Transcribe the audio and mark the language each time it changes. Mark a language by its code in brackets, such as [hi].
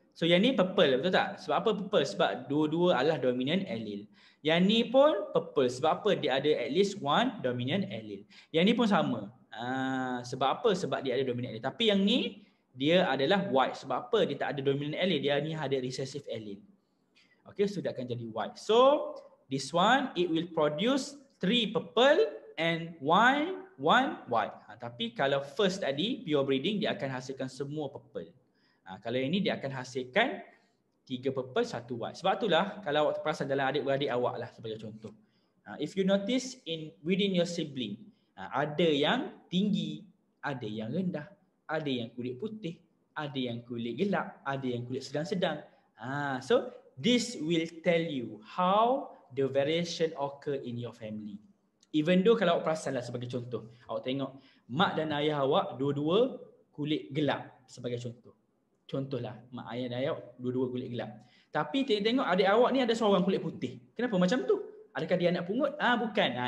[ms] So yang ni purple, betul tak? Sebab apa purple? Sebab dua-dua adalah dominant allele. Yang ni pun purple sebab apa? Dia ada at least one dominant allele. Yang ni pun sama. Sebab apa? Sebab dia ada dominant allele. Tapi yang ni dia adalah white. Sebab apa? Dia tak ada dominant allele. Dia ni ada recessive allele. Okay, so dia akan jadi white. [en] So this one it will produce 3 purple and 1 white. [ms] Tapi kalau first tadi pure breeding dia akan hasilkan semua purple. Kalau yang ni dia akan hasilkan 3 purple 1 white. Sebab itulah kalau awak terperasan dalam adik-beradik awak lah sebagai contoh. [en] If you notice in within your sibling, [ms] ada yang tinggi, ada yang rendah, ada yang kulit putih, ada yang kulit gelap, ada yang kulit sedang-sedang. [en] So this will tell you how the variation occur in your family. Even though [ms] kalau awak perasan lah sebagai contoh, awak tengok mak dan ayah awak dua-dua kulit gelap sebagai contoh. Contohlah mak ayah dan ayah dua-dua kulit gelap. Tapi tengok adik awak ni ada seorang kulit putih. Kenapa macam tu? Adakah dia nak pungut? Bukan.